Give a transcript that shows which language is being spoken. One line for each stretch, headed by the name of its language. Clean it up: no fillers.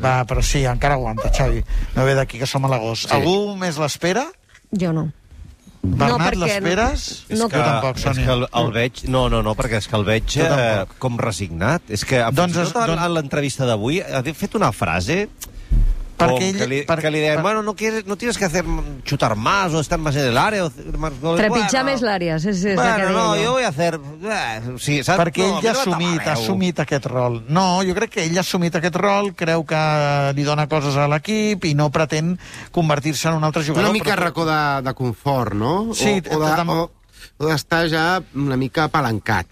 Catalan: Va, però sí, encara aguanta, Xavi. No ve d'aquí, que som a l'agost. Sí. Algú més l'espera? Jo no. Bernat, l'esperes? No, perquè... tampoc, Sònia. És que el veig... No, perquè és que el veig com resignat. És que, a l'entrevista d'avui, ha fet una frase... Perquè li deia,
Spanish: bueno, no tienes que hacer chutar más o estar más en el área.
Catalan: Trepitjar més l'àrea.
Spanish: Jo voy a hacer...
Catalan: Perquè ell ha assumit aquest rol. No, jo crec que ell ha assumit aquest rol, creu que li dona coses a l'equip i no pretén convertir-se en un altre jugador. Una mica racó de confort, no? Sí, d'estar ja una mica apalancat.